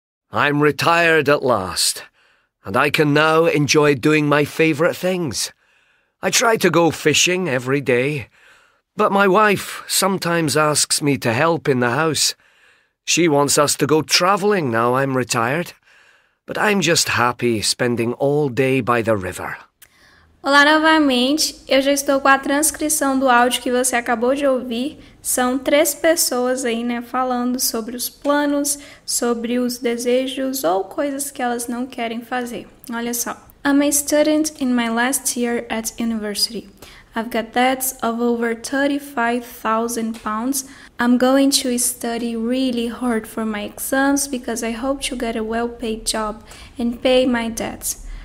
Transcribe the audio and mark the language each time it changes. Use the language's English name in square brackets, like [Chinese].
[English] I'm retired at last, and I can now enjoy doing my favourite things. I try to go fishing every day, but my wife sometimes asks me to help in the house. She wants us to go travelling now I'm retired, but I'm just happy spending all day by the river. [Portuguese] Olá novamente, eu já estou com a transcrição do áudio que você acabou de ouvir. São três pessoas aí, né, falando sobre os planos, sobre os desejos ou coisas que elas não querem fazer. Olha só. [English] I'm a student in my last year at university. I've got debts of over £35,000. I'm going to study really hard for my exams because I hope to get a well-paid job and pay my debts.